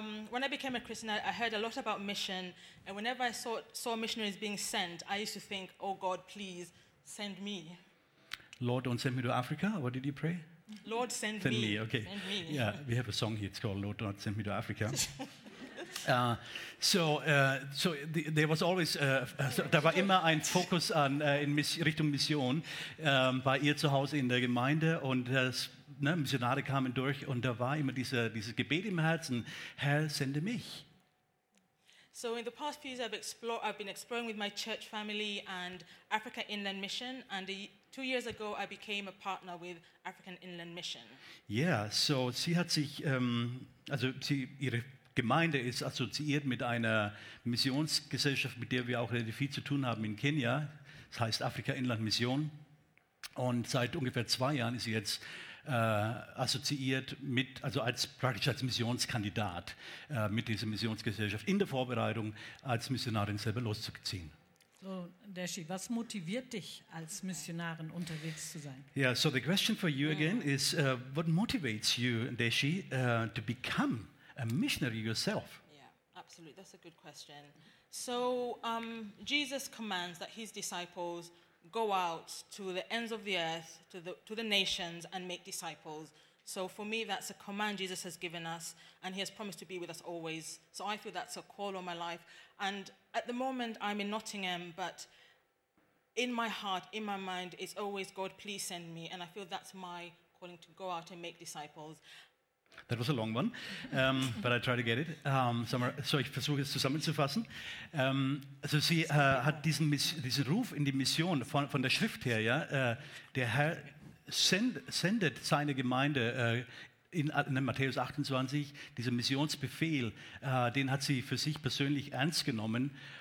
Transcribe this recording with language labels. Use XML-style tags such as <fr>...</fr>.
<en>When I became a Christian, I heard a lot about mission, and whenever I saw missionaries being sent, I used to think, oh God, please send me. Lord, don't send me to Africa? What did you pray? Lord, send me. Okay. Send me. Yeah, we have a song here. It's called "Lord, Don't Send Me to Africa." there was always,</en> <de>da war immer ein Fokus an in Richtung Mission bei ihr zu Hause in der Gemeinde, und das, ne, Missionare kamen durch, und da war immer dieses Gebet im Herzen: Herr, sende mich.</de> <en>So in the past few years, I've been exploring with my church family and Africa Inland Mission, and 2 years ago I became a partner with African Inland Mission.</en> <de>Yeah, so sie hat sich, ihre Gemeinde ist assoziiert mit einer Missionsgesellschaft, mit der wir auch relativ viel zu tun haben in Kenia. Das heißt Afrika Inland Mission. Und seit ungefähr 2 Jahren ist sie jetzt assoziiert mit, also als praktisch als Missionskandidat mit dieser Missionsgesellschaft, in der Vorbereitung, als Missionarin selber loszuziehen. So, Deshi, was motiviert dich, als Missionarin unterwegs zu sein?</de> <en>Yeah, so the question for you again is, what motivates you, Deshi, to become a missionary yourself? Yeah, absolutely. That's a good question. So, Jesus commands that his disciples go out to the ends of the earth, to the nations, and make disciples. So for me, that's a command Jesus has given us, and he has promised to be with us always. So I feel that's a call on my life. And at the moment, I'm in Nottingham, but in my heart, in my mind, it's always, God, please send me. And I feel that's my calling, to go out and make disciples. That was a long one, but I try to get it.</en> <de>Ich versuche es zusammenzufassen. Sie hat diesen Ruf in die Mission von der Schrift her, ja. Der Herr sendet seine Gemeinde in Matthäus 28, dieser Missionsbefehl, den hat sie für sich persönlich ernst genommen.</de>